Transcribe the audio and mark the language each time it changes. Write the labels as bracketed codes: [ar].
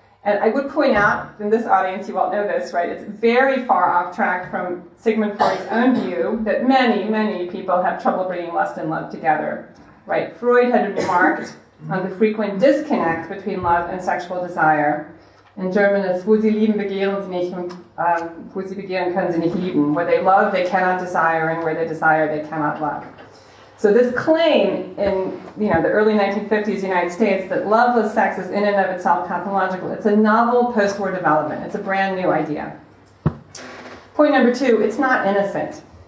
[en] And I would point out, in this audience, you all know this, right, it's very far off track from Sigmund Freud's own view that many, many people have trouble bringing lust and love together, right? Freud had remarked on the frequent disconnect between love and sexual desire. In German, it's, [de] wo sie lieben, begehren sie nicht, wo sie begehren, können sie nicht lieben. [en] Where they love, they cannot desire, and where they desire, they cannot love. So this claim in, you know, the early 1950s United States that loveless sex is in and of itself pathological, it's a novel post-war development. It's a brand new idea. Point number two, it's not innocent.